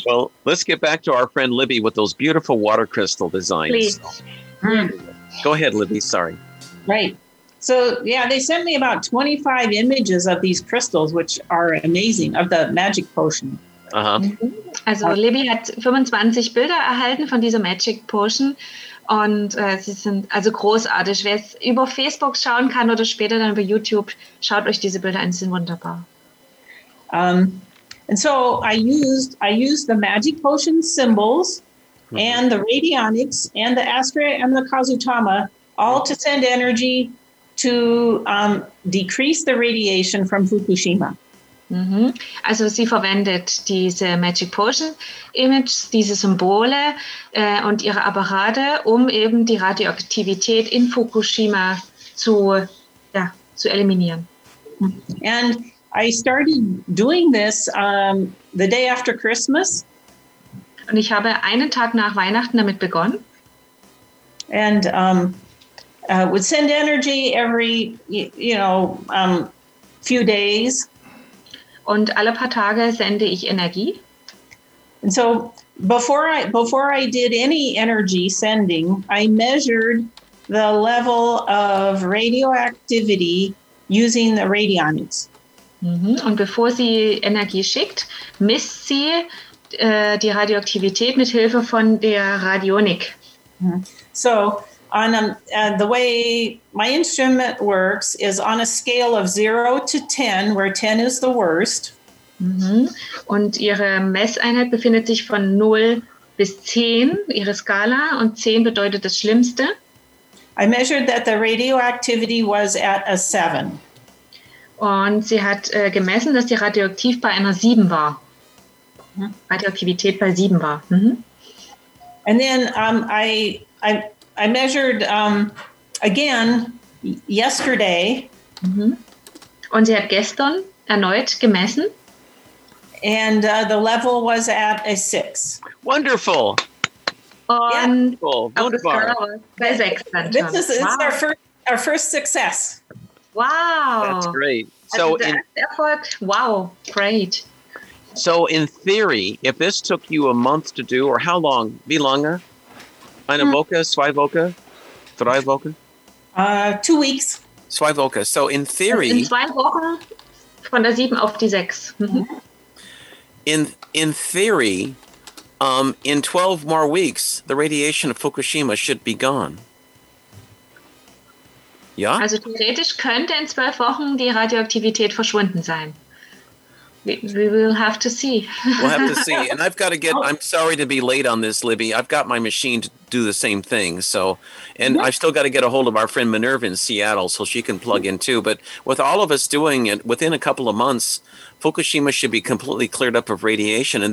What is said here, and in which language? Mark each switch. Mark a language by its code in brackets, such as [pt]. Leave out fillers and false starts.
[en] Well, let's get back to our friend Libby with those beautiful water crystal designs. Please. Mm. Go ahead, Libby. Sorry. Right. So, yeah, they sent me about 25 images of these crystals, which are amazing, of the magic potion. Uh-huh. [de] Also Libby hat 25 Bilder erhalten von dieser Magic Potion und sie sind also großartig. Wer es über Facebook schauen kann oder später dann über YouTube, schaut euch diese Bilder an, sie sind wunderbar. [en] And so I used the Magic Potion symbols and the Radionics and the Astra and the Kazutama all to send energy to decrease the radiation from Fukushima. [de] Also sie verwendet diese Magic Potion Image, diese Symbole und ihre Apparate, um eben die Radioaktivität in Fukushima zu eliminieren. [en] And I started doing this the day after Christmas. [de] Und ich habe einen Tag nach Weihnachten damit begonnen. [en] And would send energy every, you know, few days. [de] Und alle paar Tage sende ich Energie. [en] And so before I did any energy sending, I measured the level of radioactivity using the radionics. [de] Und bevor sie Energie schickt, misst sie die Radioaktivität mit Hilfe von der Radionik. [en] So on the way my instrument works is on a scale of 0 to 10, where 10 is the worst. [de] Und ihre Messeinheit befindet sich von 0 bis 10, ihre Skala, und 10 bedeutet das Schlimmste. I measured that the radioactivity was at a 7. Und sie hat gemessen, dass die Radioaktiv bei einer 7 war. Radioaktivität bei 7 war. [en] And then I measured again yesterday. [de] Und sie hat gestern erneut gemessen. [en] And the level was at a 6. Wonderful. [de] Und wunderbar. Bei 6. [en] This is wow. our first success. Wow. That's great. So in effort. Wow, great. So in theory, if this took you a month to do, or how long? [de] Wie lange? Eine Woche, zwei Woche, drei Woche? [en] 2 weeks. [de] Zwei Woche. [en] So in theory. [de] In 2 Wochen von der 7 auf die 6. [en] In theory, in 12 more weeks, the radiation of Fukushima should be gone. [de] Ja? Also theoretisch könnte in 12 Wochen die Radioaktivität verschwunden sein. [en] We will have to see. We'll have to see. And I've got to get, I'm sorry to be late on this, Libby. I've got my machine to do the same thing. So, and I've still got to get a hold of our friend Minerva in Seattle so she can plug in too. But with all of us doing it, within a couple of months, Fukushima should be completely cleared up of radiation.